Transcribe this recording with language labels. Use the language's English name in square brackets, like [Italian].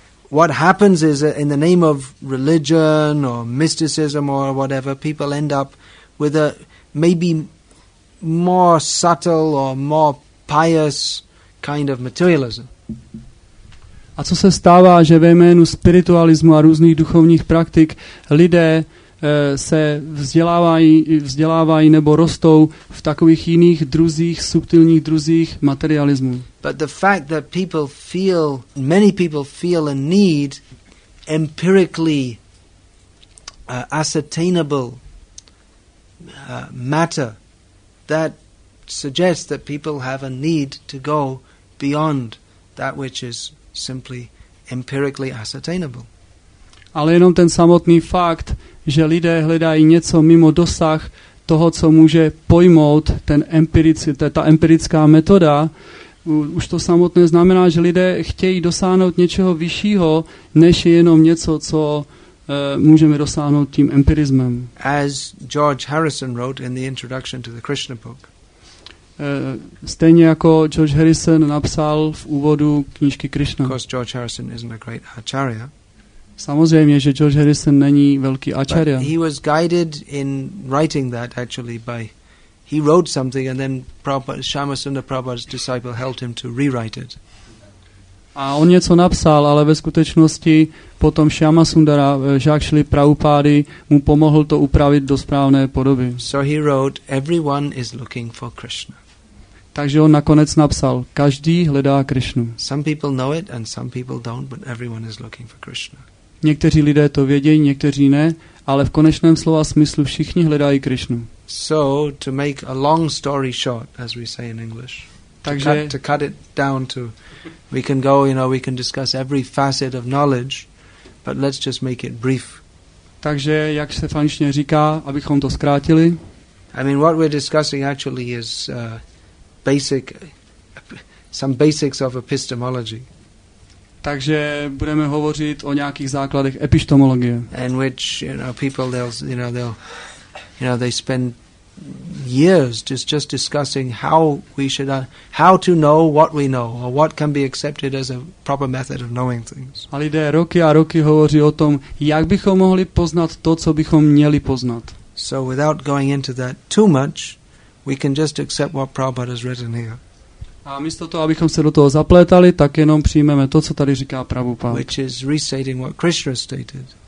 [English] What happens is that in the name of religion or mysticism or whatever, people end up with a maybe more subtle or more pious kind of materialism. [Czech] A co se stává, že ve jménu spiritualismu a různých duchovních praktik lidé se vzdělávají nebo rostou v takových jiných druzích, subtilních druzích materialismu. [English] But the fact that many people feel a need empirically ascertainable matter that suggests that people have a need to go beyond that which is simply empirically ascertainable. [Czech] Ale jenom ten samotný fakt, že lidé hledají něco mimo dosah toho, co může pojmout ta empirická metoda, už to samotné znamená, že lidé chtějí dosáhnout něčeho vyššího, než jenom něco, co můžeme dosáhnout tím empirismem. [English] As George Harrison wrote in the introduction to the Krishna book. [Czech] Stejně jako George Harrison napsal v úvodu knížky Krishna. [English] Of course, George Harrison isn't a great acharya. [Czech] Samozřejmě, že George Harrison není velký acharya. [English] But he was guided in writing that actually by he wrote something and then Shyama Sundara Prabhupada's disciple helped him to rewrite it. [Czech] A on něco napsal, ale ve skutečnosti potom Shyama Sundara, žák Šrily Prabhupády, mu pomohl to upravit do správné podoby. [English] So he wrote, everyone is looking for Krishna. [Czech] Takže on nakonec napsal, každý hledá Krishnu. [English] Some people know it and some people don't, but everyone is looking for Krishna. [Czech] Někteří lidé to vědí, někteří ne, ale v konečném slova smyslu všichni hledají Krishnu. [English] So to make a long story short, as we say in English. [Czech] Takže [English] to cut it down to, we can go, you know, we can discuss every facet of knowledge, but let's just make it brief. [Czech] Takže jak se fančně říká, abychom to zkrátili. [English] I mean, what we're discussing actually is some basics of epistemology. [Czech] Takže budeme hovořit o nějakých základech epistemologie. [English] In which, you know, people they spend years just discussing how to know what we know or what can be accepted as a proper method of knowing things. [Czech] A lidé roky a roky hovoří o tom, jak bychom mohli poznat to, co bychom měli poznat. [English] So without going into that too much, we can just accept what Prabhupada has written here. [Czech] A místo toho, abychom se do toho zaplétali, tak jenom přijmeme to, co tady říká Prabhupada. [English] Which is restating what Krishna stated.